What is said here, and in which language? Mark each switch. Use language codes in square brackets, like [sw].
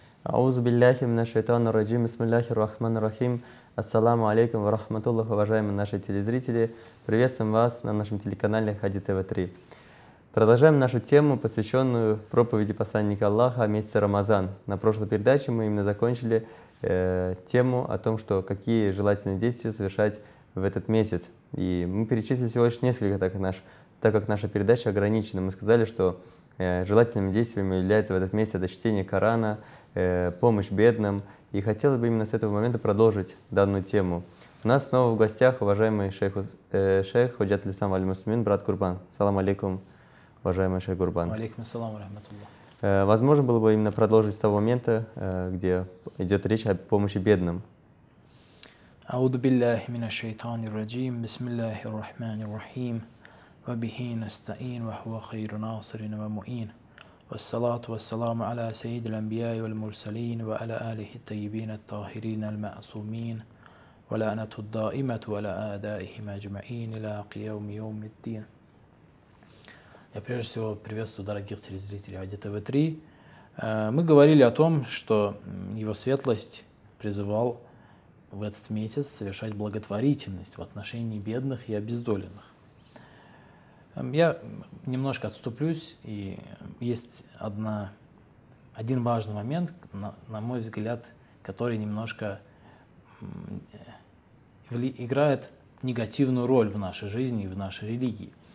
[ar] أعوذ بالله من الشيطان الرجيم. بسم الله الرحمن الرحيم. Ассаламу алейкум ва рахматуллах, [ru] уважаемые наши телезрители. Приветствуем вас на нашем телеканале Хади ТВ 3. Продолжаем нашу тему, посвященную проповеди посланника Аллаха о месяце Рамазан. На прошлой передаче мы именно закончили тему о том, что какие желательные действия совершать в этот месяц. И мы перечислили всего лишь несколько, так как наша передача ограничена. Мы сказали, что желательными действиями является в этот месяц чтение Корана, помощь бедным. И хотелось бы именно с этого момента продолжить данную тему. У нас снова в гостях уважаемый шейх Ходжат Алислам Аль-Мусмин, брат Курбан. Салам алейкум, уважаемый шейх Курбан. [ar] Алейкум ассалам, рахматуллах. [ru] Возможно было бы именно продолжить с того момента, где идет речь о помощи бедным. [ar] Ауду биллахи минаш шайтани раджим, бисмиллахи ррахмани ррахим, ва бихи настаин, ва хуа хайру насирин ва муин. والصلاة والسلام على سيد الأنبياء والمرسلين وعلى آله الطيبين الطاهرين المعصومين ولعنة الدائمة على أعدائهم أجمعين إلى قيام يوم الدين. [ru] Я прежде всего приветствую дорогих телезрителей Хади ТВ 3. Мы говорили о том, что его светлость призывал в этот месяц совершать благотворительность в отношении бедных и обездоленных. Я немножко отступлюсь, и есть один важный момент, на мой взгляд, который немножко играет негативную роль в нашей жизни и в нашей религии.